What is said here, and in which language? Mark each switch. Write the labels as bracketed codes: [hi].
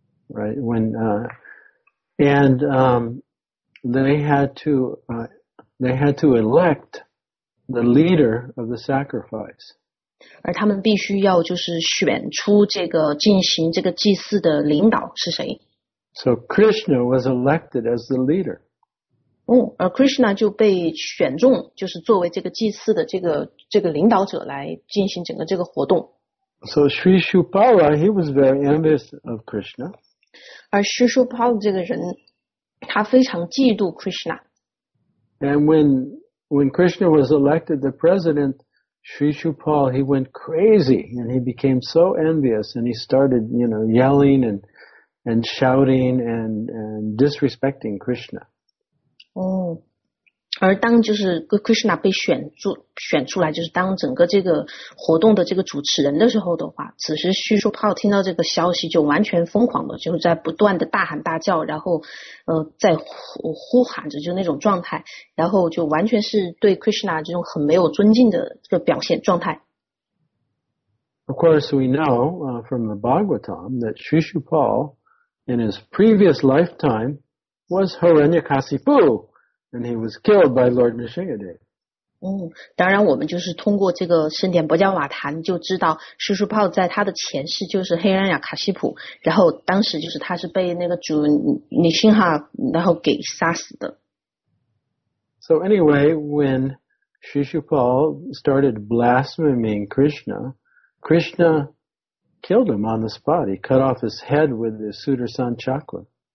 [en] Right, they had to elect the leader of the sacrifice. [zh] 而他们必须要就是选出这个进行这个祭祀的领导是谁。 [en] So Krishna was elected as the leader. [zh] 而 Krishna 就被选中就是作为这个祭祀的这个领导者来进行整个这个活动。 [en] So Sri Shupala, he was very envious of Krishna. [zh] 而 Sri Shupala 这个人他非常嫉妒 Krishna. [en] And when Krishna was elected the president, Sri Shupala, he went crazy and he became so envious and he started, you know, yelling and shouting and disrespecting Krishna. [zh] 而当就是 Krishna 被选出来就是当整个这个活动的这个主持人的时候的话此时叙述炮听到这个消息就完全疯狂的就在不断的大喊大叫然后在 呼喊着就那种状态然后就完全是对 Krishna 这种很没有尊敬的这个表现状态。 [en] Of course we know from the Bhagavatam that Shishupal in his previous lifetime was Hiranyakasipu. And he was killed by Lord Nrisimhadev. [zh] 当然我们就是通过这个圣典薄伽瓦坛就知道师叔炮在他的前世就是黑人亚卡西普然后当时就是他是被那个主女性哈然后给杀死的。 [en] So anyway, when Shishupal started blaspheming Krishna, Krishna killed him on the spot. He cut off his head with the Sudarsan chakra.